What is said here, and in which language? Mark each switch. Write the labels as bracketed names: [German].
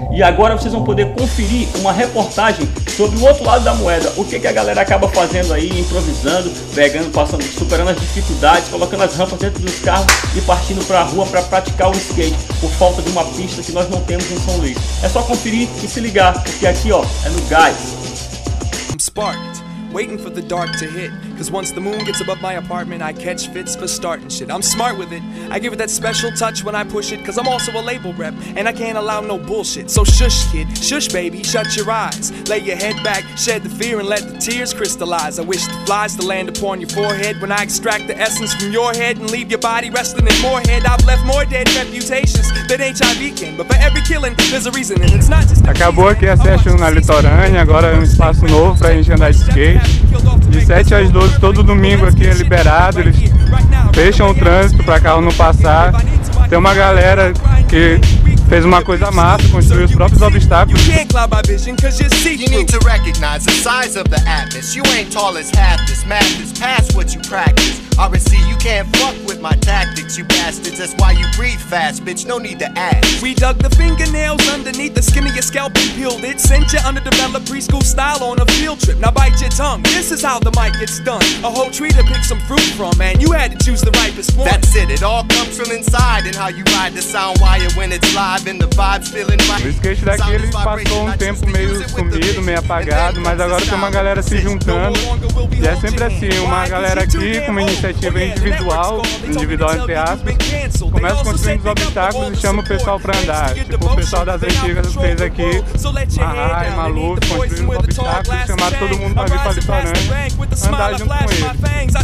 [Portuguese] E agora vocês vão poder conferir uma reportagem sobre o outro lado da moeda, o que, que a galera acaba fazendo aí, improvisando, pegando, passando, superando as dificuldades, colocando as rampas dentro dos carros e partindo para a rua para praticar o skate, por falta de uma pista que nós não temos em São Luís. É só conferir e se ligar, porque aqui ó, é no gás. [English] Sparked, waiting for the dark to hit. Cause once the moon gets above my apartment, I catch fits for starting shit. I'm smart with it, I give it that special touch when I push it. Cause I'm also a label rep, and I can't allow no bullshit. So shush kid, shush baby, shut your eyes. Lay your head back, shed the fear and let the tears crystallize. I wish the flies to land upon your forehead when I extract the essence from your head and leave your body wrestling in forehead. I've left more dead reputations than HIV can. But for every killing, there's a reason, and it's not just [Portuguese] a acabou aqui a session na Litorânea, agora é um espaço novo pra gente andar de skate. De 7 às 12, todo domingo aqui é liberado, eles fecham o trânsito para carro não passar. Tem uma galera que fez uma coisa massa, construiu os próprios obstáculos. [English] You need to recognize the size of the atlas. You ain't tall as half this madness. Pass what you practice. Obviously you can't fuck with my tactics, you bastards. That's why you breathe fast, bitch, no need to ask. We dug the fingernails underneath the skin of your scalp and peeled it. Sent you underdeveloped preschool style on a field trip. Now bite your tongue, this is how the mic gets done. A whole tree to pick some fruit from, man, you had to choose the ripest one. That's it, it all comes from inside. And how you ride the sound wire when it's live. And the vibe's feeling right. [Portuguese] O skate daqui, ele passou um tempo meio sumido, meio apagado. Mas agora tem uma galera se juntando. E é sempre assim, uma galera aqui com uma iniciativa individual, individual entre aspas, começa construindo os obstáculos e chama o pessoal pra andar. Tipo, o pessoal das antigas fez aqui, Mahai, Maluco, construindo os obstáculos e chamaram todo mundo pra vir pra Litorânea andar junto com eles.